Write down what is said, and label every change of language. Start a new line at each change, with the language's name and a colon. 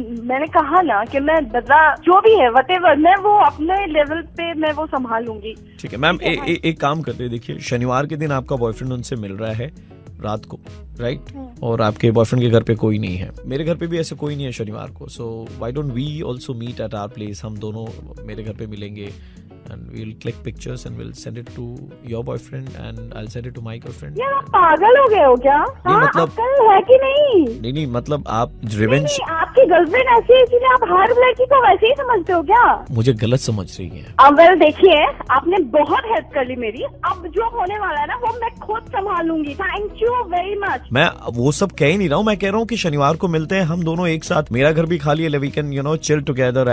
Hindi: मैंने कहा ना कि मैं बदला जो भी है व्हाटएवर, मैं वो अपने लेवल पे मैं वो संभालूंगी. ठीक है मैम, एक काम करते हैं. देखिए शनिवार के दिन आपका बॉयफ्रेंड उनसे मिल रहा है रात को, राइट? और आपके बॉयफ्रेंड के घर पे कोई नहीं है. मेरे घर पे भी ऐसे कोई नहीं है शनिवार को.
English: So why don't we also meet at our place.
Hindi: हम दोनों मेरे घर पे मिलेंगे.
English: And we'll click pictures and we'll send it to your boyfriend and I'll send it to my girlfriend.
Hindi: यार आप पागल हो गए हो क्या? नहीं मतलब है कि नहीं? नहीं नहीं मतलब आप रिवेंज. आपकी गर्लफ्रेंड ऐसी है इसीलिए आप हर लड़की को वैसे ही समझते हो क्या? मुझे गलत समझ रही है. अब वेल देखिए, आपने बहुत हेल्प कर ली मेरी. अब जो होने वाला है ना वो मैं खुद संभालूंगी.
English: Thank you very much.
Hindi: मैं वो सब कह ही नहीं रहा हूँ. मैं कह रहा हूँ कि शनिवार को मिलते हैं हम दोनों एक साथ, मेरा घर भी खाली है,
English: We can you know chill together.